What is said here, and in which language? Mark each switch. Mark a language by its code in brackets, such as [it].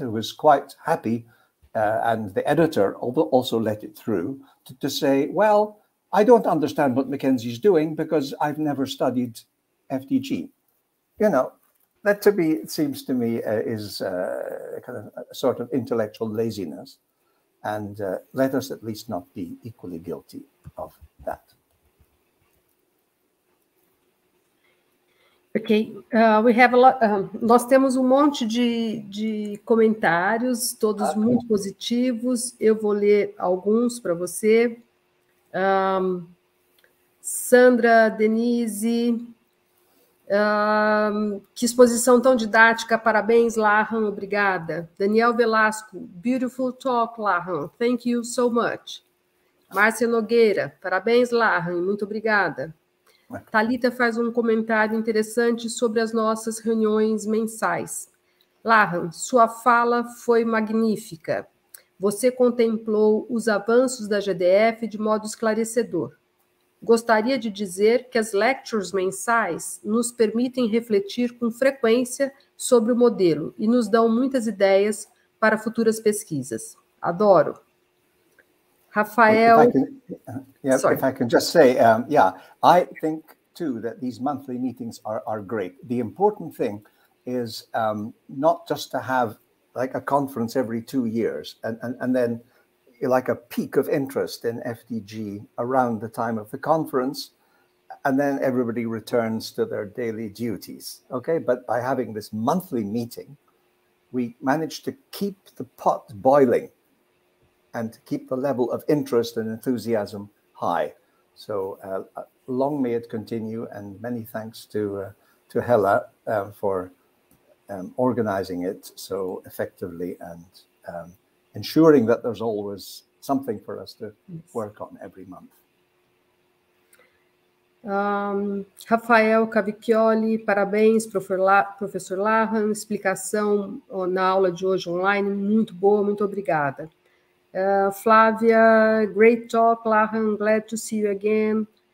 [en] I was quite happy, and the editor also let it through to say, well, I don't understand what Mackenzie's doing because I've never studied FDG. You know, that to me, it seems to me, is kind of a sort of intellectual laziness. And let us at least not be equally guilty of that. Ok, we have a lot, [pt] nós temos um monte de comentários, todos muito positivos. Eu vou ler alguns para você. Sandra, Denise, que exposição tão didática, parabéns, Lachlan, obrigada. [en] Daniel Velasco, beautiful talk, Lachlan, thank you so much. [pt] Márcia Nogueira, parabéns, Lachlan, muito obrigada. Thalita faz um comentário interessante sobre as nossas reuniões mensais. Lachlan, sua fala foi magnífica. Você contemplou os avanços da GDF de modo esclarecedor. Gostaria de dizer que as lectures mensais nos permitem refletir com frequência sobre o modelo e nos dão muitas ideias para futuras pesquisas. Adoro. Rafael. [en] If I can just say, I think too that these monthly meetings are great. The important thing is not just to have like a conference every 2 years and then like a peak of interest in FDG around the time of the conference, and then everybody returns to their daily duties. Okay, but by having this monthly meeting, we manage to keep the pot boiling and to keep the level of interest and enthusiasm high. So long may it continue, and many thanks to Hella for organizing it so effectively and ensuring that there's always something for us to work on every month. [pt] Rafael Cavicchioli, parabéns, professor Lahan, explicação na aula de hoje online, muito boa, muito obrigada. [en] Flávia, great talk, Lahan, glad to see you again.